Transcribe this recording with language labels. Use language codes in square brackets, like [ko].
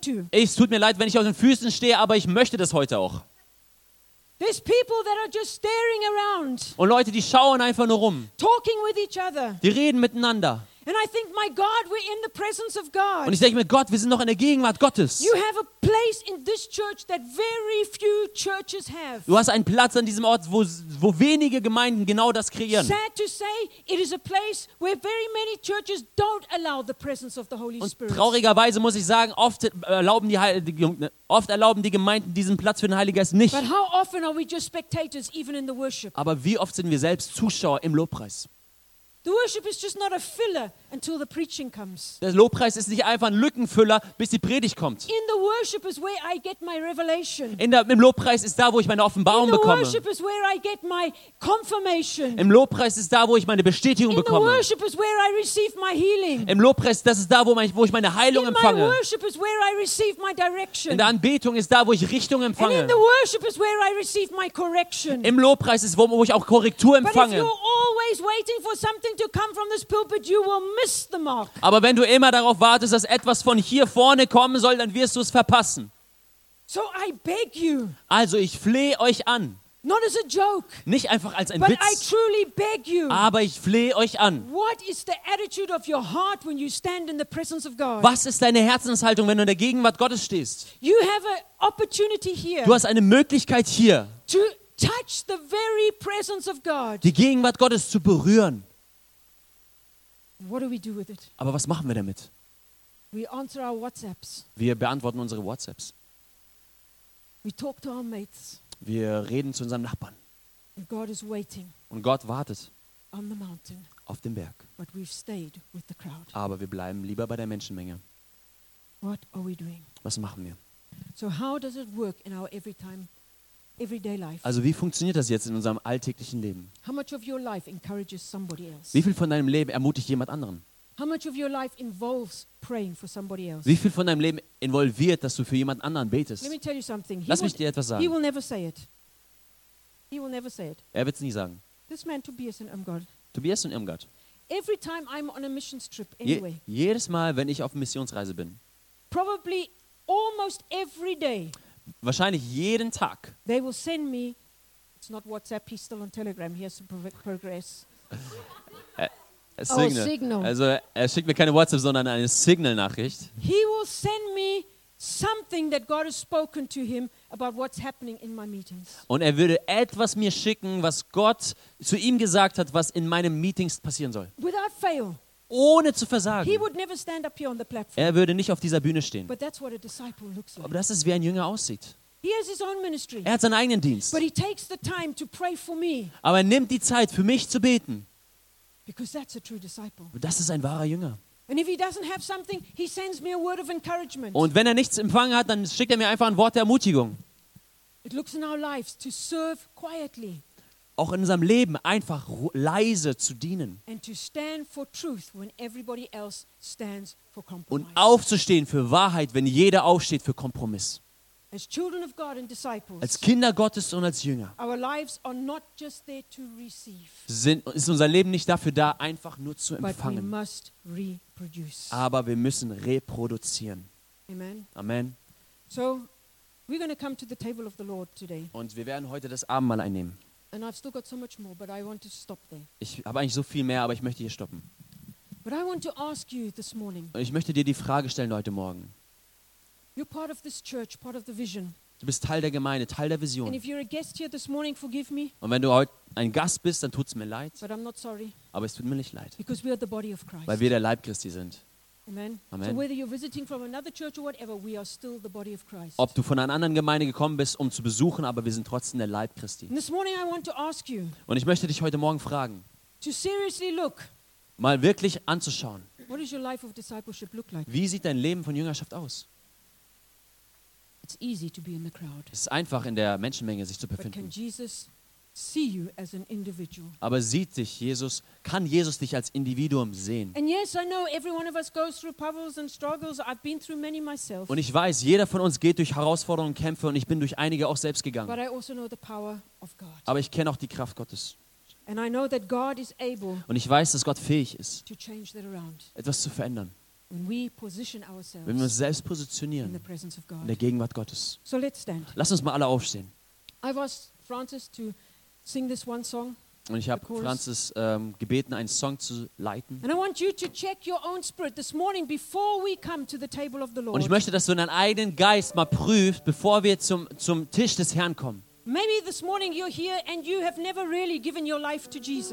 [de] Es tut mir leid, wenn ich auf den Füßen stehe, aber ich möchte das heute auch. [en] There's people that are just staring around. [de] Und Leute, die schauen einfach nur rum. [en] Talking with each other. [de] Die reden miteinander. [en] And I think, my God, we're in the presence of God. [de] Und ich denke mir, Gott, wir sind noch in der Gegenwart Gottes. [en] You have a place in this church that very few churches have. [de] Du hast einen Platz an diesem Ort, wo wenige Gemeinden genau das kreieren. [en] Sad to say, it is a place where very many churches don't allow the presence of the Holy Spirit. [de] Und traurigerweise muss ich sagen, oft erlauben die Gemeinden diesen Platz für den Heiligen Geist nicht. [en] But how often are we just spectators, even in the worship? [de] Aber wie oft sind wir selbst Zuschauer im Lobpreis? [en] The worship is just not a filler until the preaching comes. [de] Der Lobpreis ist nicht einfach ein Lückenfüller, bis die Predigt kommt. [en] In the worship is where I get my revelation. [de] Im Lobpreis ist da, wo ich meine Offenbarung bekomme. [en] In the worship is where I get my confirmation. [de] Im Lobpreis ist da, wo ich meine Bestätigung bekomme. [en] In the worship is where I receive my healing. [de] Im Lobpreis, das ist da, wo ich meine Heilung empfange. [en] In my worship is where I receive my direction. [de] In der Anbetung ist da, wo ich Richtung empfange. [en] And in the worship is where I receive my correction. [de] Im Lobpreis ist, wo ich auch Korrektur empfange. [en] But if you're always waiting for something to come from this pulpit, you will miss the mark. [de] Aber wenn du immer darauf wartest, dass etwas von hier vorne kommen soll, dann wirst du es verpassen. [en] So I beg you. [de] Also ich flehe euch an. [en] Not as a joke. [de] Nicht einfach als ein [en] but [de] Witz. [en] I truly beg you. [de] Aber ich flehe euch an. [en] What is the attitude of your heart when you stand in the presence of God? [de] Was ist deine Herzenshaltung, wenn du in der Gegenwart Gottes stehst? [en] You have an opportunity here. [de] Du hast eine Möglichkeit hier. [en] To touch the very presence of God. [de] Die Gegenwart Gottes zu berühren. [en] What do we do with it? [de] Aber was machen wir damit? [en] We answer our WhatsApps. [de] Wir beantworten unsere WhatsApps. [en] We talk to our mates. [de] Wir reden zu unseren Nachbarn. [en] And God is waiting. [de] Und Gott wartet. [en] On the mountain. [de] Auf dem Berg. [en] But we've stayed with the crowd. [de] Aber wir bleiben lieber bei der Menschenmenge. [en] What are we doing? [de] Was machen wir? [en] So how does it work in our everyday life? [de] Also wie funktioniert das jetzt in unserem alltäglichen Leben? [en] How much of your life encourages somebody else? [de] Wie viel von deinem Leben ermutigt jemand anderen? [en] How much of your life involves praying for somebody else? [de] Wie viel von deinem Leben involviert, dass du für jemand anderen betest? [en] Let me tell you something. [de] Lass mich dir etwas sagen. [en] He will never say it. He will never say it. [de] Er wird es nie sagen. [en] This man Tobias in Irmgard. [de] Tobias in Irmgard. [en] Every time I'm on a missions trip anyway. [de] Jedes Mal, wenn ich auf Missionsreise bin. [en] Probably almost every day. [de] Wahrscheinlich jeden Tag. [en] They will send me. It's not WhatsApp. He's still on Telegram. He has to progress. Signal. [de] Also er schickt mir keine WhatsApp, sondern eine Signal-Nachricht. [en] He will send me something that God has spoken to him about what's happening in my meetings. [de] Und er würde etwas mir schicken, was Gott zu ihm gesagt hat, was in meinen Meetings passieren soll. [en] Without fail. [de] Ohne zu versagen. [en] He would never stand up here on the platform. [de] Er würde nicht auf dieser Bühne stehen. [en] But that's what a disciple looks like. [de] Aber das ist, wie ein Jünger aussieht. [en] He has his own ministry. [de] Er hat seinen eigenen Dienst. [en] But he takes the time to pray for me. [de] Aber er nimmt die Zeit, für mich zu beten. [en] Because that's a true disciple. [de] Das ist ein wahrer Jünger. [en] And if he doesn't have something, he sends me a word of encouragement. [de] Und wenn er nichts empfangen hat, dann schickt er mir einfach ein Wort der Ermutigung. [en] It looks in our lives to serve quietly. [de] Auch in unserem Leben einfach leise zu dienen. [en] And to stand for truth when everybody else stands for compromise. [de] Und aufzustehen für Wahrheit, wenn jeder aufsteht für Kompromiss. [en] As children of God and disciples, [de] als Kinder Gottes und als Jünger, [en] our lives are not just there to receive, [de] ist unser Leben nicht dafür da, einfach nur zu empfangen. [en] But we must reproduce. [de] Aber wir müssen reproduzieren. [en] Amen. [de] Amen. [en] So, we're going to come to the table of the Lord today. [de] Und wir werden heute das Abendmahl einnehmen. [en] And I've still got so much more, but I want to stop there. [de] Ich habe eigentlich so viel mehr, aber ich möchte hier stoppen. [en] But I want to ask you this morning. [de] Und ich möchte dir die Frage stellen heute Morgen. [en] You're part of this church, part of the vision. [de] Du bist Teil der Gemeinde, Teil der Vision. [en] And if you're a guest here this morning, forgive me. [de] Und wenn du heute ein Gast bist, dann tut's mir leid. [en] But I'm not sorry. [de] Aber es tut mir nicht leid. [en] Because we are the body of Christ. [de] Weil wir der Leib Christi sind. [en] Amen. [de] Amen. [en] So whether you're visiting from another church or whatever, we are still the body of Christ. [de] Ob du von einer anderen Gemeinde gekommen bist, um zu besuchen, aber wir sind trotzdem der Leib Christi. [en] And this morning I want to ask you. [de] Und ich möchte dich heute Morgen fragen. [en] To seriously look. [de] Mal wirklich anzuschauen. [en] What is your life of discipleship look like? [de] Wie sieht dein Leben von Jüngerschaft aus? [en] It's easy to be in the crowd. [de] Es ist einfach, in der Menschenmenge sich zu befinden. [en] But can Jesus see you as an individual? [de] Aber sieht dich Jesus, kann Jesus dich als Individuum sehen? [en] And yes, I know every one of us goes through troubles and struggles. I've been through many myself. [de] Und ich weiß, jeder von uns geht durch Herausforderungen, Kämpfe, und ich bin durch einige auch selbst gegangen. [en] But I also know the power of God. [de] Aber ich kenne auch die Kraft Gottes. [en] And I know that God is able. [de] Und ich weiß, dass Gott fähig ist, [en] to change that around. [de] Etwas zu verändern. [en] When we position ourselves, [de] wenn wir uns selbst positionieren [en] in the presence of God. [de] In der Gegenwart Gottes. [en] So let's stand. [de] Lass uns mal alle aufstehen. [en] I was Francis to sing this one song. [de] Und ich habe Francis gebeten, einen Song zu leiten. [en] And I want you to check your own spirit this morning before we come to the table of the Lord. [de] Und ich möchte, dass du deinen eigenen Geist mal prüfst, bevor wir zum Tisch des Herrn kommen. [en] Maybe this morning you're here and you have never really given your life to Jesus.